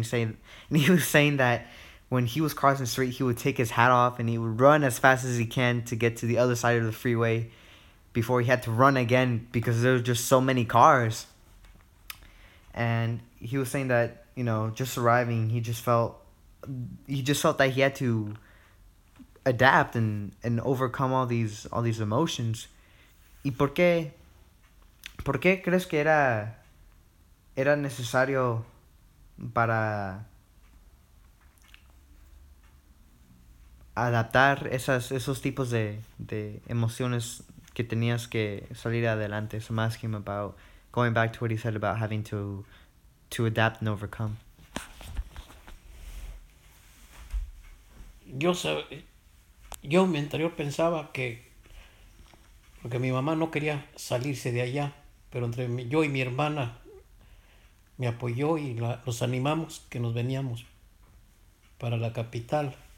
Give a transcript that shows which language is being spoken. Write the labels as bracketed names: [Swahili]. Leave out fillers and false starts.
[English] And he was saying that when he was crossing the street, he would take his hat off and he would run as fast as he can to get to the other side of the freeway before he had to run again because there were just so many cars. And he was saying that, just arriving, he just felt that he had to adapt and overcome all these emotions. [Spanish] ¿Y por qué crees que era necesario para adaptar esos tipos de emociones que tenías que salir adelante? [English] So I'm asking him about going back to what he said about having to adapt and overcome. [Spanish] Yo en mi anterior pensaba que, porque mi mamá no quería salirse de allá, pero entre mí, yo y mi hermana me apoyó y los animamos que nos veníamos para la capital.